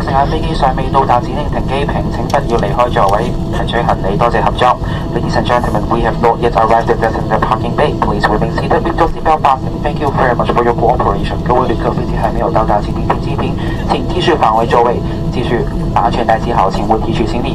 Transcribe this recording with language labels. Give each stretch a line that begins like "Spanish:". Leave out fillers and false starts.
Chinese: 飞机尚未到达指定停机坪，请不要离开座位提取行李，多谢合作。
English: Ladies and gentlemen, we have not yet arrived at the parking bay. Please remain seated with your seatbelt fastened. Thank you very much for your cooperation.
Chinese: 各位旅客，飞机还没有到达指定停机坪，请继续返回座位，继续把安全带系好，请勿提取行李。